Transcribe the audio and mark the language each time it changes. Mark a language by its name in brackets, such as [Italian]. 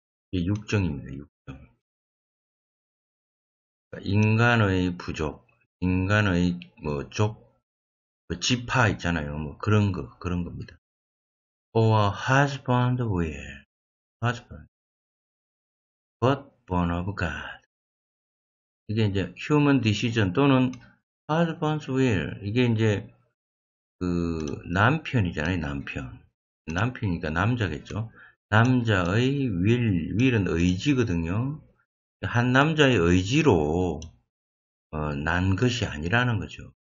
[Korean] 이게 육정입니다. 인간의 부족, 인간의 뭐 족, 뭐 지파 있잖아요. 뭐 그런 겁니다. [English] Or husband will, husband, but born of God. [Korean] 이게 이제 [English] human decision [Korean] 또는 [English] husband's will. [Korean] 이게 이제 남편이잖아요. 남편이니까 남자겠죠. 남자의 will은 의지거든요. 한 남자의 의지로 난 것이 아니라는 거죠.